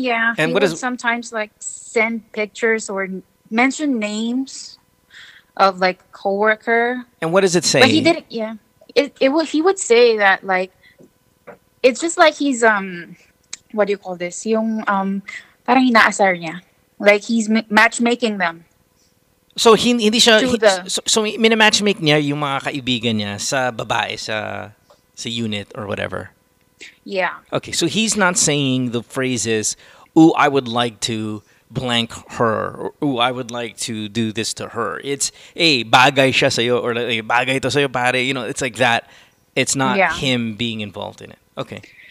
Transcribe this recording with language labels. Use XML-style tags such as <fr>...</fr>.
<en>and he would sometimes like send pictures or mention names of like coworker. And what does it say? But he didn't. Yeah, he would say that, like, it's just like he's what do you call this?</en> <tl>Yung parang inaasar niya.</tl> <en>Like, he's matchmaking them.</en> <tl>So hindi siya. So matchmake niya yung mga kaibigan niya sa babae sa unit</tl> <en>or whatever. Yeah. Okay, so he's not saying the phrases, "Ooh, I would like to blank her," or "Ooh, I would like to do this to her." It's "Hey,</en> <tl>bagay siya sa'yo,"</tl> <en>or "Hey,</en> <tl>bagay to sa'yo, pare."</tl> <en>You know, it's like that. It's not him being involved in it. Okay.</en>